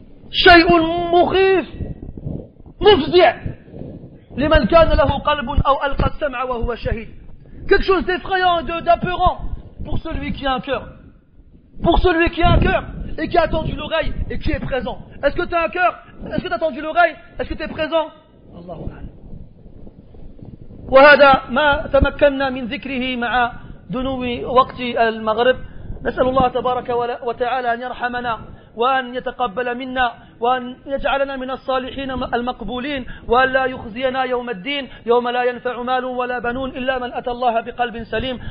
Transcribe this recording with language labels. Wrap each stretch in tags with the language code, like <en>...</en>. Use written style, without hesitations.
<ar>شيء مخيف مفزع لمن كان له قلب أو ألقى السمع وهو شهيد.</ar> <fr>Quelque chose d'effrayant et d'apeurant pour celui qui a un cœur. Pour celui qui a un cœur et qui a tendu l'oreille et qui est présent. Est-ce que tu as un cœur? Est-ce que tu as tendu l'oreille? Est-ce que tu es présent? Allahu a'lam.</fr> <ar>وهذا ما تمكننا من ذكره مع دنو وقت المغرب. نسأل الله تبارك وتعالى أن يرحمنا وأن يتقبل منا وأن يجعلنا من الصالحين المقبولين وأن لا يخزينا يوم الدين يوم لا ينفع مال ولا بنون إلا من أتى الله بقلب سليم.</ar>